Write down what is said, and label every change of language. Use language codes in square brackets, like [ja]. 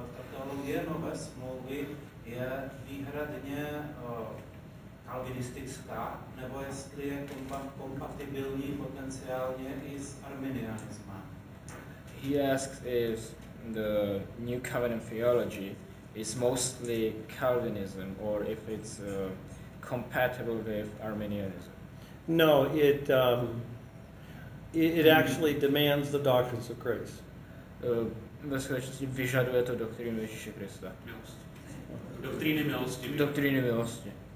[cs] teologie nové smlouvy je výhradně kalvinistická, nebo jestli je kompatibilní potenciálně i s arminianismem. [en] He asks if the New Covenant theology is mostly Calvinism or if it's compatible with Arminianism. No, it actually demands the doctrines of grace. [cs] Ve skutečnosti vyžaduje to doktrínu Ježíše Krista. Doktríny milosti.